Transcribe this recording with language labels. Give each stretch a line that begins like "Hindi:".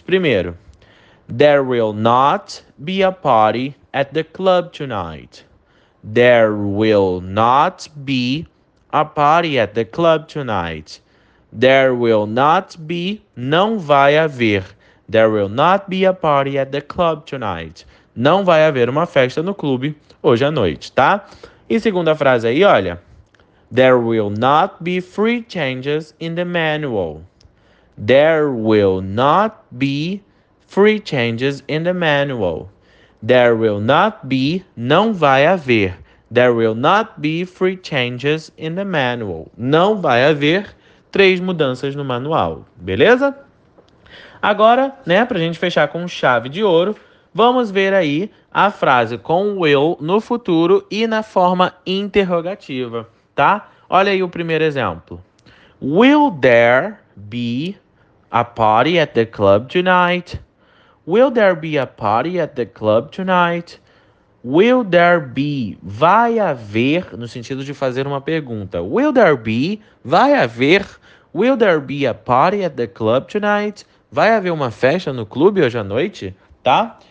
Portuguese: Primeiro,
English: there will not be a party at the club tonight. There will not be a party at the club tonight. There will not be,
Portuguese: não vai haver.
English: There will not be a party at the club tonight.
Portuguese: Não vai haver uma festa no clube hoje à noite, tá? E segunda frase aí, olha.
English: There will not be 3 changes in the manual. There will not be 3 changes in the manual. There will not be,
Portuguese: não vai haver.
English: There will not be 3 changes in the manual.
Portuguese: Não vai haver 3 mudanças no manual, beleza? Agora, né, pra gente fechar com chave de ouro, vamos ver aí a frase com will no futuro e na forma interrogativa, tá? Olha aí o primeiro exemplo.
English: Will there be a party at the club tonight? Will there be a party at the club tonight? Will there be,
Portuguese: vai haver, no sentido de fazer uma pergunta.
English: Will there be,
Portuguese: vai haver,
English: will there be a party at the club tonight?
Portuguese: Vai haver uma festa no clube hoje à noite, tá?